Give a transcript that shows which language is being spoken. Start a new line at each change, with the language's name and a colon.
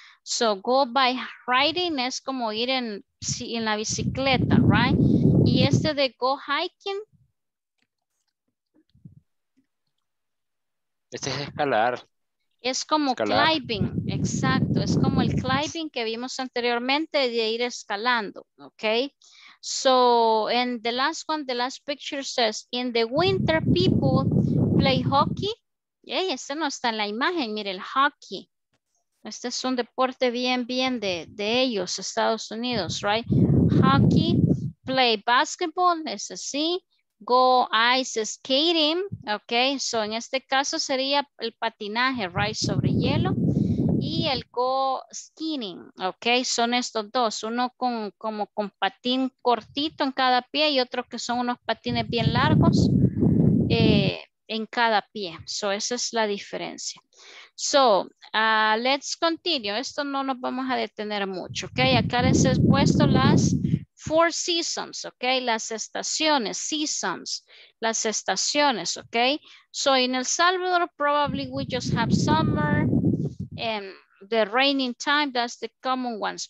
Spanish: So go by riding es como ir en la bicicleta, right? Y este de go hiking. Este es escalar. Es como escalar. Climbing, exacto. Es como el climbing que vimos anteriormente de ir escalando, ok.
English: So, and the last one, the last picture says, in the winter, people play hockey.
Spanish: Yay, este no está en la imagen, mire, el hockey. Este es un deporte bien, bien de ellos, Estados Unidos, right?
English: Hockey, play basketball, es así. Go ice skating, ok.
Spanish: So, en este caso sería el patinaje, right, sobre hielo. Y el go skinning, ok, son estos dos, uno con como con patín cortito en cada pie y otro que son unos patines bien largos en cada pie. So esa es la diferencia.
English: So let's continue,
Spanish: esto no nos vamos a detener mucho, ok. Acá les he puesto las four seasons, ok, las estaciones, seasons, las estaciones, ok.
English: So in El Salvador probably we just have summer, the raining time, that's the common ones.